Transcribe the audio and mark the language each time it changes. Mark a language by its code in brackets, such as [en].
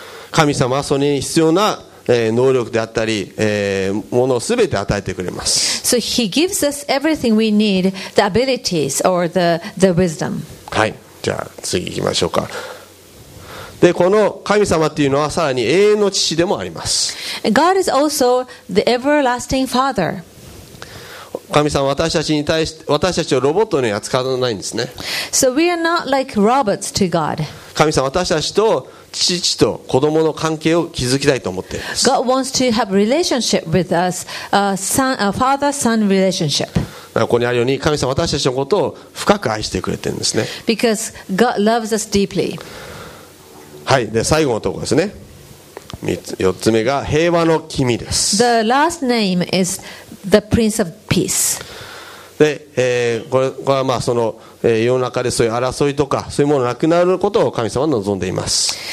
[ja] 神様はそれに必要な、能力であったり、ものをすべて与えてくれます。 [en] So he gives us everything we need, the abilities or the wisdom. [ja] はい、じゃあ次行きましょうか。でこの神様っていうのはさらに永遠の父でもあります。 [en] God is also the everlasting father. [ja] 神様は私たちに対して私たちをロボットのように扱わないんですね。 [en] So we are not like robots to God. [ja] 神様は私たちと父と子供の関係を築きたいと思っています。 [en] God wants to have relationship with us, a father-son relationship. [ja] ここにあるように神様は私たちのことを深く愛してくれてるんですね。 [en] Because God loves us deeply. [ja] はい、で最後のところですね。 4つ目が平和の君です。 [en] The last name is the Prince of Peace. [ja] で、これはまあその、世の中でそういう争いとかそういうものがなくなることを神様は望んでいます。